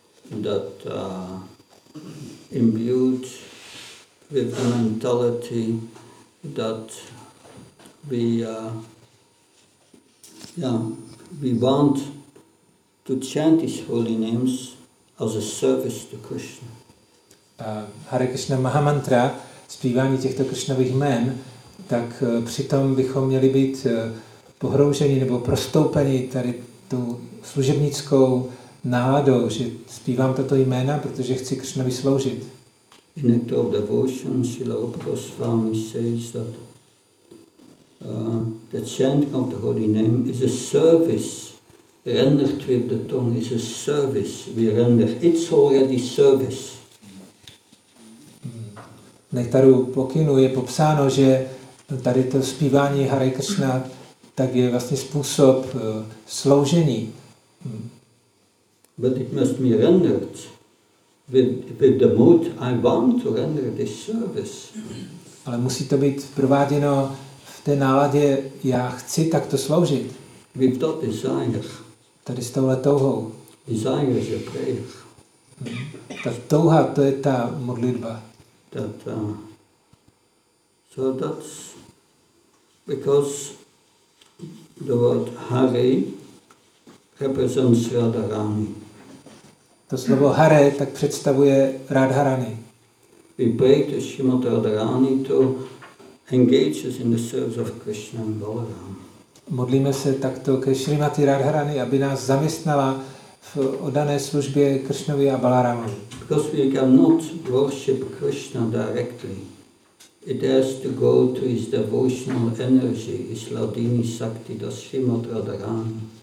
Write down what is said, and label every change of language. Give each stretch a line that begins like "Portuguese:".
English: That imbued with the mentality that we want to chant His holy names as a service to Krishna.
Czech: Hare Krishna Mahamantra, zpívání těchto Krishnových jmen, tak přitom bychom měli být pohrouženi nebo prostoupeni tady tu služebnickou náladou, že zpívám tato jména, protože chci Krishnovi sloužit.
English: In act of devotion, Srila Rupa Goswami says that the chanting of the holy name is a service rendered with the tongue, is a service we render. It's already service.
Czech: V Nektaru Pokynu je popsáno, že tady to zpívání Hare Krishna tak je vlastně způsob sloužení.
English: But it must be rendered with the mood I want to render this service.
Czech: Ale musí to být prováděno v té náladě, já chci takto sloužit.
English: With that desire.
Czech: Tady s touhle touhou.
English: Desire is a prayer.
Czech: Ta touha, to je ta modlitba.
English: That, so that's because the word Hare represents Radharani.
Czech: To slovo Hare tak představuje Radharani.
English: We pray to Srimati Radharani to engage us in the service of Krishna and Balaram.
Czech: Modlíme se takto ke Srimati Radharani, aby nás zaměstnala v oddané službě Krishnovi a Balaramu.
English: Because we cannot worship Krishna directly. It has to go to his devotional energy, his Ladini Sakti, to Srimati Radharani.